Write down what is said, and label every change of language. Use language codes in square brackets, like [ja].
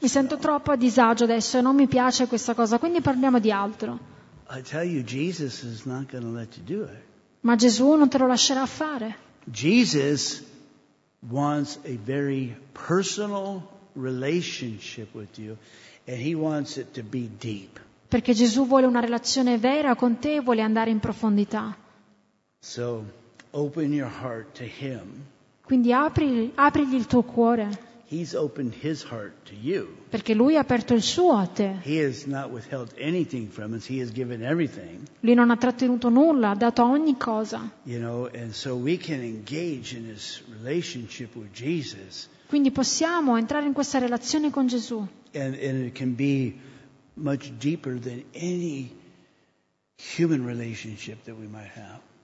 [it] Mi sento troppo a disagio adesso e non mi piace questa cosa, quindi parliamo di altro. [en] I tell you, Jesus is not going to let you do it. [it] Ma Gesù non te lo lascerà fare. [en] Jesus wants a very personal relationship with you, and he wants it to be deep. [it] Perché Gesù vuole una relazione vera con te, vuole andare in profondità. [en] So open your heart to him. [it] Quindi aprigli il tuo cuore. [en] He's opened his heart to you. [it] Perché lui ha aperto il suo a te. [en] He has not withheld anything from us. He has given everything. [it] Lui non ha trattenuto nulla, ha dato ogni cosa. [en] You know, and so we can engage in this relationship with Jesus. [it] Quindi possiamo entrare in questa relazione con Gesù. [en] And it can be much deeper than any human relationship that we might have.